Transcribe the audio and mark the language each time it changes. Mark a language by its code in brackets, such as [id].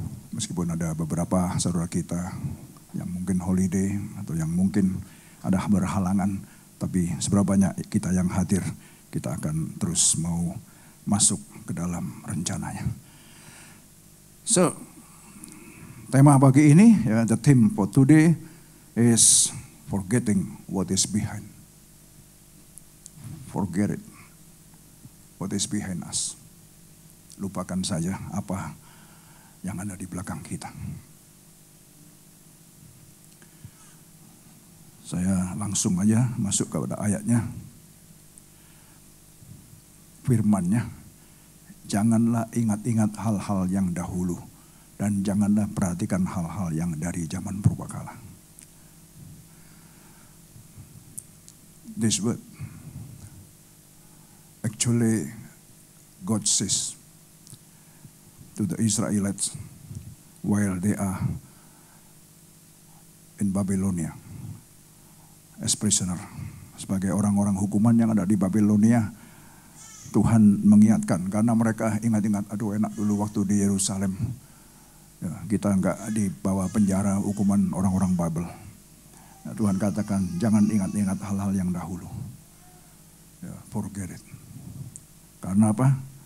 [id] Meskipun ada beberapa saudara kita yang mungkin holiday atau yang mungkin ada berhalangan, tapi seberapa banyak kita yang hadir, kita akan terus mau masuk ke dalam rencananya. [en] So, [id] tema pagi ini, [en] the theme for today is forgetting what is behind. Forget it. What is behind us. [id] Lupakan saja apa yang ada di belakang kita. Saya langsung aja masuk kepada ayatnya. Firmannya. Janganlah ingat-ingat hal-hal yang dahulu. Dan janganlah perhatikan hal-hal yang dari zaman purbakala. [en] This word. Actually, God says to the Israelites while they are in Babylonia as prisoner. [id] Sebagai orang-orang hukuman yang ada di Babylonia, Tuhan mengingatkan, karena mereka ingat-ingat, aduh enak dulu waktu di Yerusalem. Ya, kita enggak dibawa penjara hukuman orang-orang Babel. Ya, Tuhan katakan, jangan ingat-ingat hal-hal yang dahulu. Ya, [en] forget it. [id] Karena apa?